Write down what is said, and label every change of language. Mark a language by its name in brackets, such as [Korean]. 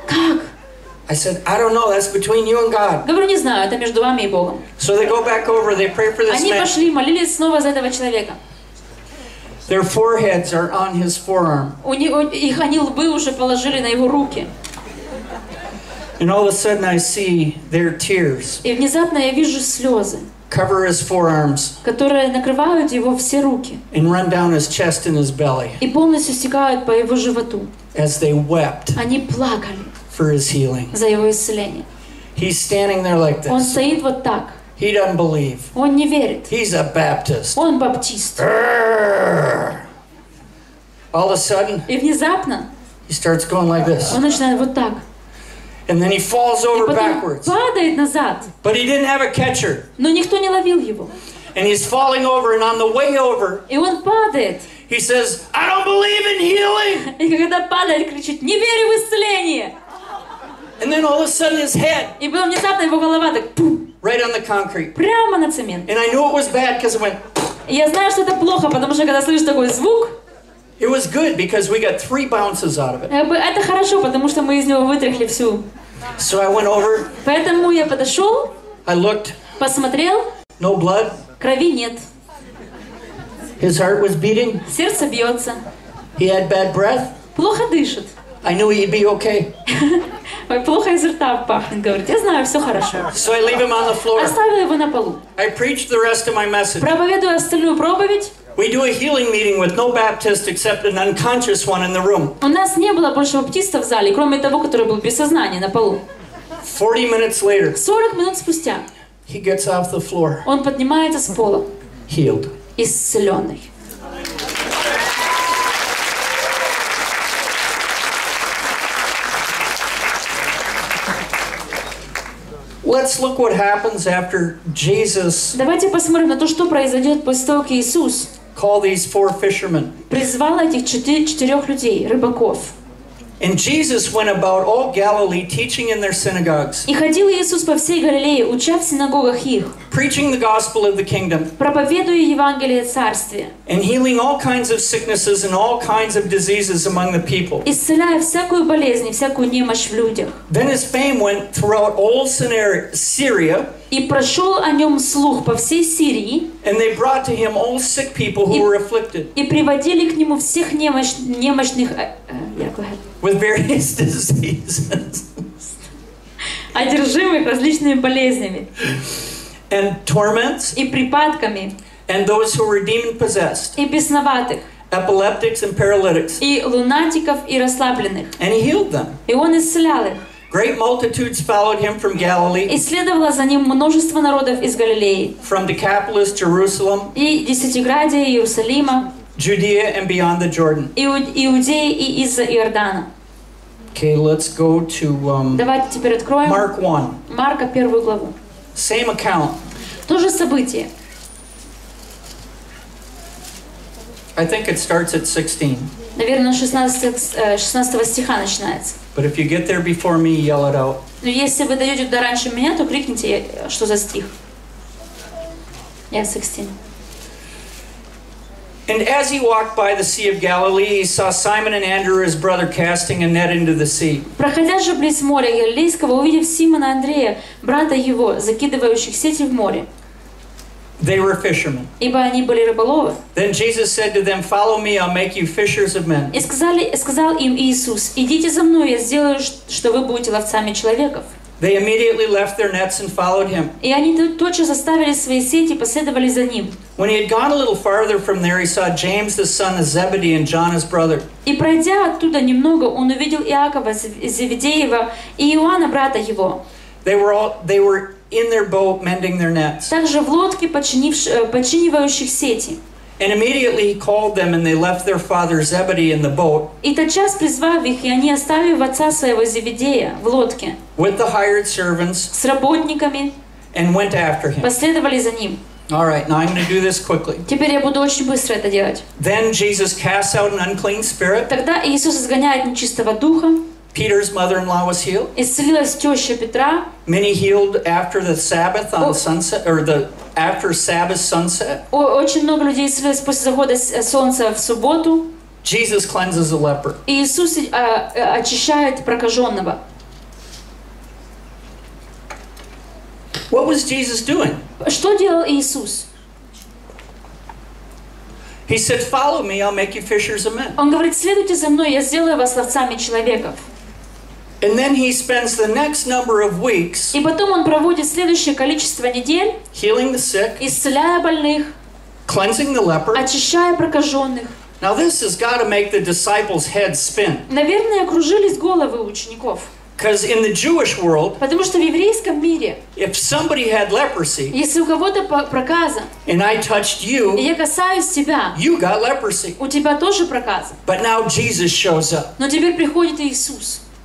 [Russian] Как? [English] I said, I don't know. That's between you and God. [Russian] Говорю, не знаю. Это между вами и Богом. [English] So they go back over. They pray for this man. [Russian] Они пошли, молились снова за этого человека. [English] Their foreheads are on his forearm. [Russian] У него их они лбы уже положили на его руки. [English] And all of a sudden, I see their tears. [Russian] И внезапно я вижу слезы. [English] Cover his forearms. [Russian] Которые накрывают его все руки. [English] And run down his chest and his belly. [Russian] И полностью стекают по его животу. [English] As they wept. [Russian] Они плакали. [English] For his healing. [Russian] За его исцеление. [English] He's standing there like this. [Russian] Он стоит вот так. [English] He doesn't believe. [Russian] Он не верит. [English] He's a Baptist. [Russian] Он баптист. [English] All of a sudden. [Russian] И внезапно. [English] He starts going like this. [Russian] Он начинает вот так. [English] And then he falls over backwards. [Russian] И потом падает назад. [English] But he didn't have a catcher. [Russian] Но никто не ловил его. [English] And he's falling over, and on the way over. [Russian] И он падает. [English] He says, "I don't believe in healing." [Russian] И когда падает, кричит: "Не верю в исцеление!" [English] And then all of a sudden his head. [Russian] И было внезапно его голова так. [English] Right on the concrete. [Russian] Прямо на цемент. [English] And I knew it was bad because it went. [Russian] Я знаю, что это плохо, потому что когда слышишь такой звук. [English] It was good because we got 3 bounces out of it. [Russian] Это хорошо, потому что мы из него вытряхли всю. [English] So I went over. [Russian] Поэтому я подошел. [English] I looked. [Russian] Посмотрел. [English] No blood. [Russian] Крови нет. [English] His heart was beating. [Russian] Сердце бьется. [English] He had bad breath. [Russian] Плохо дышит. [English] I knew he'd be okay. [Russian] Плохо из рта пахнет, говорит. Я знаю, все хорошо. [English] So I leave him on the floor. [Russian] Оставил его на полу. [English] I preached the rest of my message. [Russian] Проповедую остальную проповедь. [English] We do a healing meeting with no Baptist except an unconscious one in the room. [Russian] У нас не было больше баптистов в зале, кроме того, который был без сознания на полу. [English] 40 minutes later. [Russian] 40 минут спустя. [English] He gets off the floor. [Russian] Он поднимается с пола. [English] Healed. [Russian] Исцеленный. [English] Let's look what happens after Jesus. [Russian] Давайте посмотрим на то, что произойдет после того, как Иисус. [English] Call these 4 fishermen. [Russian] Призвал этих 4 людей, рыбаков. [English] And Jesus went about all Galilee, teaching in their synagogues. [Russian] И ходил Иисус по всей Галилее, уча в синагогах их. [English] Preaching the gospel of the kingdom. [Russian] Проповедуя Евангелие царствия. [English] And healing all kinds of sicknesses and all kinds of diseases among the people. [Russian] Исцеляя всякую болезнь и всякую немощь в людях. [English] Then his fame went throughout all Syria. [Russian] И прошел о нем слух по всей Сирии. [English] And they brought to him all sick people who were afflicted. [Russian] И приводили к нему всех немощных. [English] With various diseases. [Russian] Одержимых различными болезнями. [English] And torments. [Russian] И припадками. [English] And those who were demon-possessed. [Russian] И бесноватых. [English] Epileptics and paralytics. [Russian] И лунатиков и расслабленных. [English] And he healed them. [Russian] И он исцелял их. [English] Great multitudes followed him from Galilee. [Russian] И следовало за ним множество народов из Галилеи. [English] From Decapolis, Jerusalem. [Russian] И Десятиградия, Иерусалима. [English] Judea and beyond the Jordan. [Russian] Иудея и из-за Иордана. [English] Okay, let's go to [Russian] Давайте теперь откроем [English] Mark 1. [Russian] Марка 1 главу. [English] Same account. [Russian] То же событие. [English] I think it starts at 16. [Russian] Наверное, 16 стиха начинается. [English] But if you get there before me, yell it out. [Russian] Но если вы дойдете до раньше меня, то крикните, что за стих. [English] Yeah, 16. And as he walked by the Sea of Galilee, he saw Simon and Andrew, his brother, casting a net into the sea. [Russian] Проходя же близ моря Галилейского, увидев Симона и Андрея, брата его, закидывающих сети в море. [English] They were fishermen. [Russian] Ибо они были рыболовы. [English] Then Jesus said to them, "Follow me; I'll make you fishers of men." [Russian] И сказал им Иисус: "Идите за мною, я сделаю, что вы будете ловцами человеков." [English] They immediately left their nets and followed him. [Russian] И они тотчас оставили свои сети и последовали за ним. [English] When he had gone a little farther from there, he saw James the son of Zebedee and John his brother. [Russian] И пройдя оттуда немного, он увидел Иакова Зеведеева и Иоанна брата его. [English] They were in their boat mending their nets. [Russian] Также в лодке, починивающих сети. [English] And immediately he called them, and they left their father Zebedee in the boat. [Russian] И тотчас призвав их, и они оставив отца своего Зеведея в лодке. [English] With the hired servants. [Russian] С работниками. [English] And went after him. [Russian] Последовали за ним. [English] All right, now I'm going to do this quickly. [Russian] Теперь я буду очень быстро это делать. [English] Then Jesus cast out an unclean spirit. [Russian] Тогда Иисус изгоняет нечистого духа. [English] Peter's mother-in-law was healed. [Russian] Исцелилась теща Петра. [English] Many healed after the Sabbath on sunset, or the after Sabbath sunset. [Russian] Очень много людей исцелилось после захода солнца в субботу. [English] Jesus cleanses a leper. [Russian] Иисус очищает прокаженного. [English] What was Jesus doing? [Russian] Что делал Иисус? [English] He said, "Follow me, I'll make you fishers of men." [Russian] Он говорит: "Следуйте за мной, я сделаю вас ловцами человеков." [English] And then he spends the next number of weeks. [Russian] И потом он проводит следующее количество недель. [English] Healing the sick. [Russian] Исцеляя больных. [English] Cleansing the leper. [Russian] Очищая прокаженных. [English] Now this has got to make the disciples' heads spin. [Russian] Наверное, кружились головы учеников. [English] Because in the Jewish world, [Russian] потому что в еврейском мире, [English] if somebody had leprosy, [Russian] если у кого-то проказа, [English] and I touched you, [Russian] и я касаюсь тебя, [English] you got leprosy. [Russian] У тебя тоже проказа. [English] But now Jesus shows up. [Russian] Но теперь приходит Иисус.